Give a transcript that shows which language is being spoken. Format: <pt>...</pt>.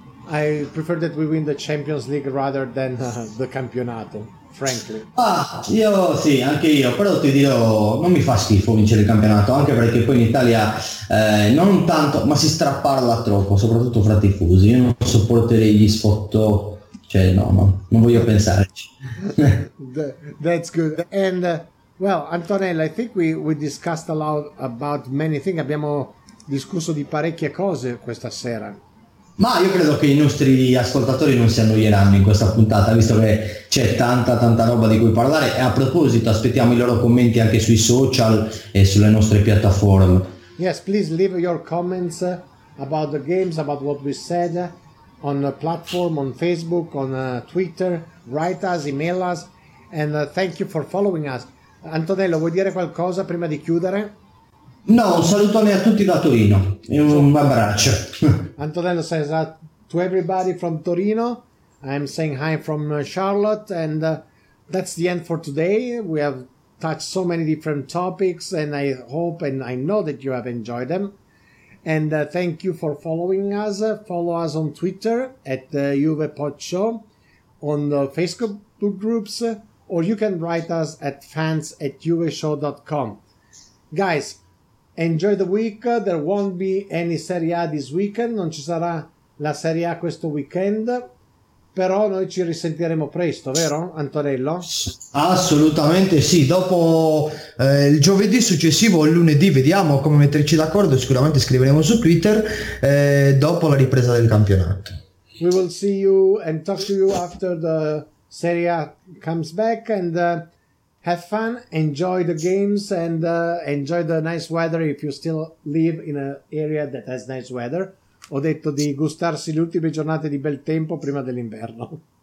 <en>I prefer that we win the Champions League rather than the campionato, frankly.</en> <it>Ah, io sì, anche io, però ti dirò, non mi fa schifo vincere il campionato, anche perché poi in Italia non tanto, ma si strapparla troppo, soprattutto fra tifosi. Io non sopporterei gli sfotto, cioè no, non voglio pensarci.</it> <en>That's good. And well, Antonella, I think we discussed a lot about many things.</en> <it>Abbiamo discusso di parecchie cose questa sera. Ma io credo che i nostri ascoltatori non si annoieranno in questa puntata, visto che c'è tanta tanta roba di cui parlare. E a proposito, aspettiamo i loro commenti anche sui social e sulle nostre piattaforme.</it> <en>Yes, please leave your comments about the games, about what we said on the platform, on Facebook, on Twitter, write us, email us, and thank you for following us.</en> <it>Antonello, vuoi dire qualcosa prima di chiudere? No, un salutone a tutti da Torino e un abbraccio.</it> <en>Antonello says that to everybody from Torino. I'm saying hi from Charlotte, and that's the end for today. We have touched so many different topics, and I hope and I know that you have enjoyed them. And thank you for following us. Follow us on Twitter at Juve Pod Show, on the Facebook groups, or you can write us at fans@juveshow.com. Guys, enjoy the week. There won't be any Serie A this weekend.</en> <it>Non ci sarà la Serie A questo weekend. Però noi ci risentiremo presto, vero Antonello? Assolutamente sì. Dopo il giovedì successivo, il lunedì, vediamo come metterci d'accordo. Sicuramente scriveremo su Twitter dopo la ripresa del campionato.</it> <en>We will see you and talk to you after the Serie A comes back. And have fun, enjoy the games, and enjoy the nice weather if you still live in an area that has nice weather.</en> <it>Ho detto di gustarsi le ultime giornate di bel tempo prima dell'inverno.</it>